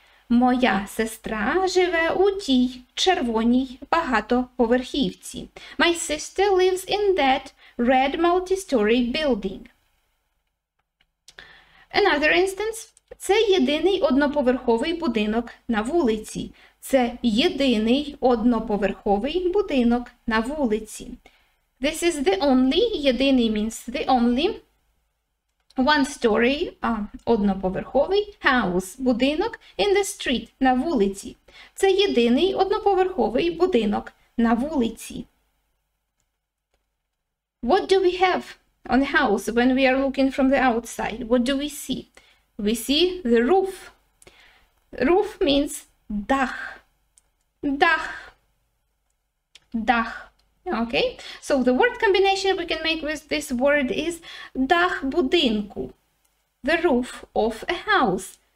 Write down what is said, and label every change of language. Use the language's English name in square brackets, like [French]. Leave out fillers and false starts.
[Ukrainian] Моя сестра живе у тій червоній багатоповерхівці. [English] My sister lives in that red multi-story building. Another instance. [Ukrainian] Це єдиний одноповерховий будинок на вулиці. Це єдиний одноповерховий будинок на вулиці. [English] This is the only, єдиний means the only, one-story, одноповерховий, house, будинок, in the street, [Ukrainian] на вулиці. Це єдиний одноповерховий будинок на вулиці. [English] What do we have on a house when we are looking from the outside? What do we see? We see the roof. Roof means дах. Дах. Dach. Okay, so the word combination we can make with this word is [Ukrainian] Dach budynku, [English] the roof of a house.